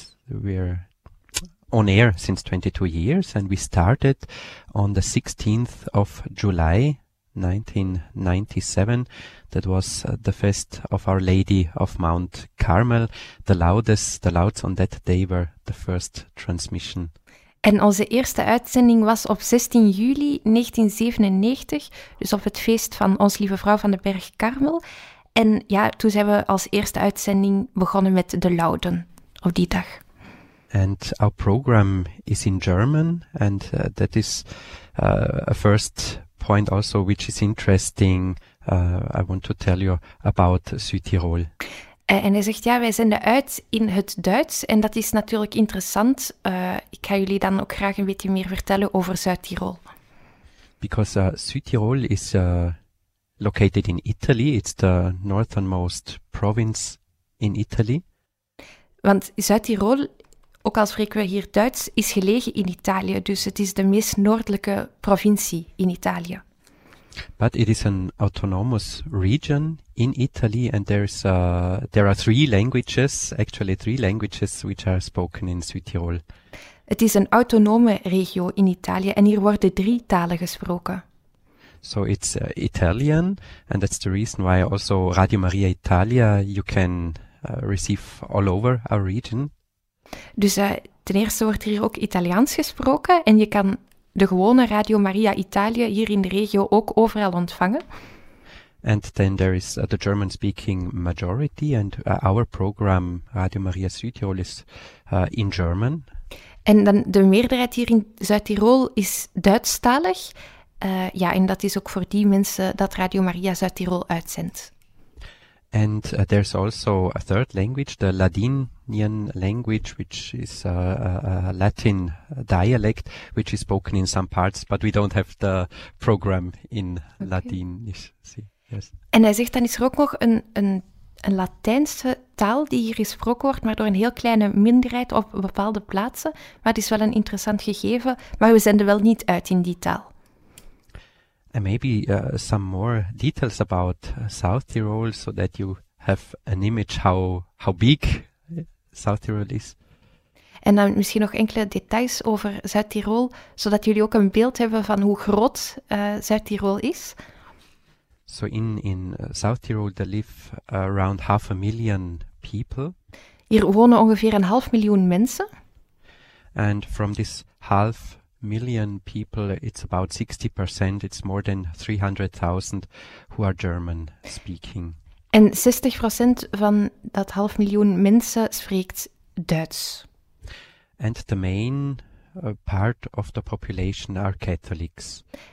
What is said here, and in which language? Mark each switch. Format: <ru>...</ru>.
<en>We're on air since 22 years, and we started on the 16th of July 1997. That was the feast of Our Lady of Mount Carmel. The louds on that day were the first transmission.</en> <nl>En onze eerste uitzending was op 16 juli 1997, dus op het feest van Ons Lieve Vrouw van de Berg Carmel. En ja, toen zijn we als eerste uitzending begonnen met de Lauden op die dag.</nl> <en>And our program is in German, and that is a first point also which is interesting. I want to tell you about Südtirol.</en> <nl>En hij zegt, ja, wij zenden uit in het Duits en dat is natuurlijk interessant. Ik ga jullie dan ook graag een beetje meer vertellen over Zuid-Tirol.</nl> <en>Because Südtirol is located in Italy, it's the northernmost province in Italy.</en> <nl>Want Zuid-Tirol, ook al spreken we hier Duits, is gelegen in Italië, dus het is de meest noordelijke provincie in Italië.</nl> <en>But it is an autonomous region in Italy, and there are three languages which are spoken in Zuid-Tirol.</en> <nl>Het is een autonome regio in Italië en hier worden drie talen gesproken.</nl> <en>So it's Italian, and that's the reason why also Radio Maria Italia you can receive all over our region.</en> <nl>Dus ten eerste wordt hier ook Italiaans gesproken en je kan de gewone Radio Maria Italië hier in de regio ook overal ontvangen.</nl> <en>And then there is the German-speaking majority and our program Radio Maria Südtirol is in German.</en> <nl>En dan de meerderheid hier in Zuid-Tirol is Duitsstalig. En dat is ook voor die mensen dat Radio Maria Zuid-Tirol uitzendt.</nl> <en>And there's also a third language, the Ladinian language, which is a Latin dialect, which is spoken in some parts, but we don't have the program in Ladinisch. Yes.</en> <nl>En hij zegt, dan is er ook nog een Latijnse taal die hier gesproken wordt, maar door een heel kleine minderheid op bepaalde plaatsen. Maar het is wel een interessant gegeven, maar we zenden wel niet uit in die taal.</nl> <en>And maybe some more details about South Tyrol, so that you have an image how big South Tyrol is.</en> <nl>En dan misschien nog enkele details over Zuid-Tirol, zodat jullie ook een beeld hebben van hoe groot Zuid-Tirol is.</nl> <en>So in South Tyrol there live around 500,000 people.</en> <nl>Hier wonen ongeveer 500,000 mensen.</nl> <en>And from this 500,000 people, it's about 60%, it's more than 300,000 who are German speaking.</en> <nl>En 60% van dat 500,000 mensen spreekt Duits.</nl> <en>And the main part of the population are Catholics.</en>